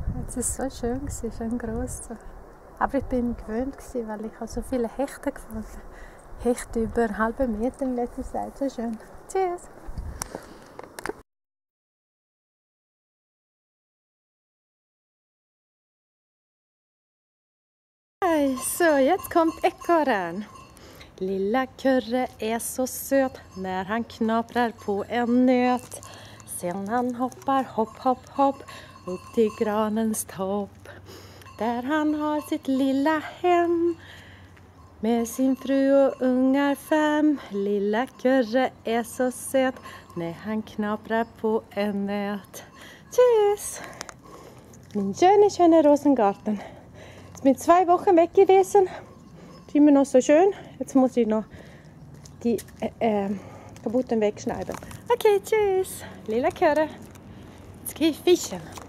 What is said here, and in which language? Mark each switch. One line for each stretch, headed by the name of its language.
German: Jetzt ist es so schön gewesen, schön gross. Aber ich bin gewöhnt gewesen, weil ich so viele Hechte gefunden habe. Hechte über einen halben Meter in letzter Zeit. So schön. Tschüss. Hi, so, jetzt kommt Ekorren.
Swedish: Lilla Körre är så söt när han knaprar på en nöt. Sen han hoppar hopp hopp hopp upp till granens topp. Där han har sitt lilla hem med sin fru och ungar fem. Lilla Körre är så söt när han knaprar på en nöt.
German: Tschüss! Min schöne, schöne Rosengarten. Jetzt bin ich 2 Wochen weg gewesen. Immer noch so schön. Jetzt muss ich noch die kaputten wegschneiden. Okay, tschüss. Lila Körre. Jetzt gehe ich fischen.